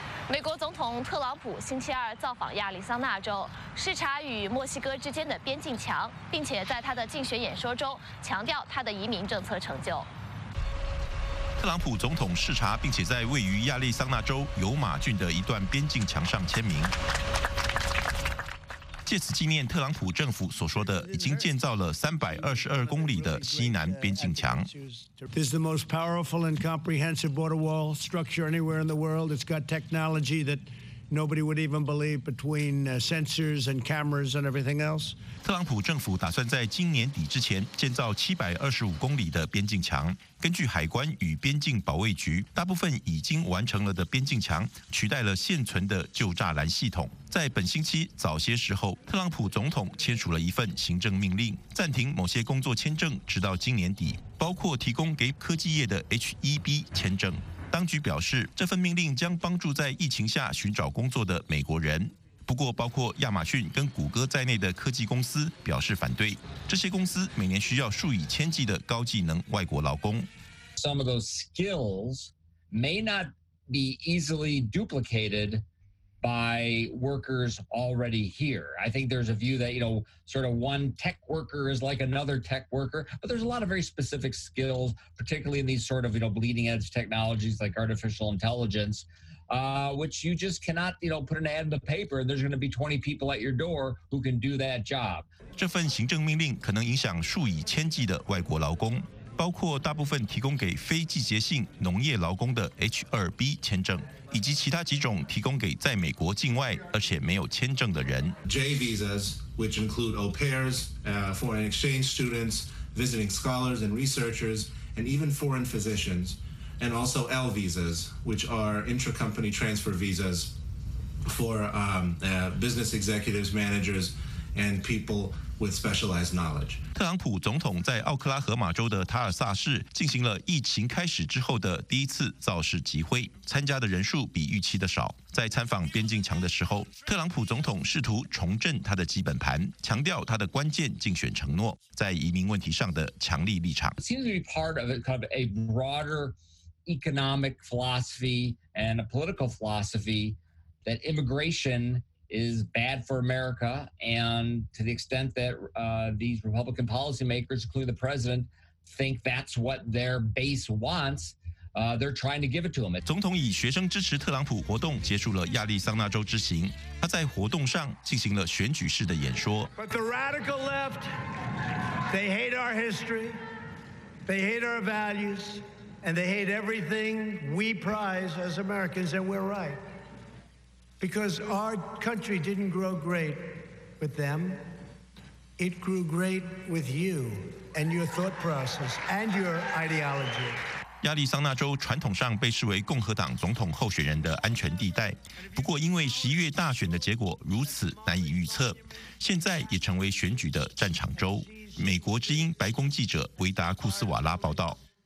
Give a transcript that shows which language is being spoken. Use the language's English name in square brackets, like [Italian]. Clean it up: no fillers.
[Chinese] 美国总统特朗普星期二造访亚利桑那州，视察与墨西哥之间的边境墙，并且在他的竞选演说中强调他的移民政策成就。特朗普总统视察并且在位于亚利桑那州尤马郡的一段边境墙上签名，借此纪念特朗普政府所说的已经建造了322公里的西南边境墙。 [English] This is the most powerful and comprehensive border wall structure anywhere in the world. It's got technology that nobody would even believe between sensors and cameras and everything else. [Chinese] 特朗普政府打算在今年底之前建造725公里的边境墙。根据海关与边境保卫局，大部分已经完成了的边境墙取代了现存的旧栅栏系统。在本星期早些时候，特朗普总统签署了一份行政命令，暂停某些工作签证，直到今年底，包括提供给科技业的 H-1B 签证。当局表示，这份命令将帮助在疫情下寻找工作的美国人。不过，包括亚马逊跟谷歌在内的科技公司表示反对。这些公司每年需要数以千计的高技能外国劳工。 [English] Some of those skills may not be easily duplicated by workers already here. I think there's a view that, you know, sort of one tech worker is like another tech worker, but there's a lot of very specific skills, particularly in these sort of, you know, bleeding edge technologies like artificial intelligence, which you just cannot, you know, put an ad in the paper and there's going to be 20 people at your door who can do that job. [Chinese] 这份行政命令可能影响数以千计的外国劳工，包括大部分提供给非季节性农业劳工的 H2B 签证，以及其他几种提供给在美国境外而且没有签证的人。 [English] J visas, which include au pairs, foreign exchange students, visiting scholars and researchers, and even foreign physicians, and also L visas, which are intra-company transfer visas for business executives, managers, and people. With specialized knowledge. [Chinese] 特朗普总统在奥克拉荷马州的塔尔萨市进行了疫情开始之后的第一次造势集会，参加的人数比预期的少。在参访边境墙的时候，特朗普总统试图重振他的基本盘，强调他的关键竞选承诺在移民问题上的强力立场。 [English] It seems to be part of a kind of a broader economic philosophy and a political philosophy that immigration. Is bad for America, and to the extent that these Republican policymakers, including the president, think that's what their base wants, they're trying to give it to them. [Chinese] 总统以学生支持特朗普活动结束了亚利桑那州之行，他在活动上进行了选举式的演说。 [English] But the radical left, they hate our history, they hate our values, and they hate everything we prize as Americans, and we're right. Because our country didn't grow great with them. It grew great with you and your thought process and your ideology. [Chinese] 亚利桑那州传统上被视为共和党总统候选人的安全地带，不过因为11月大选的结果如此难以预测，现在也成为选举的战场州。美国之音白宫记者维达库斯瓦拉报道。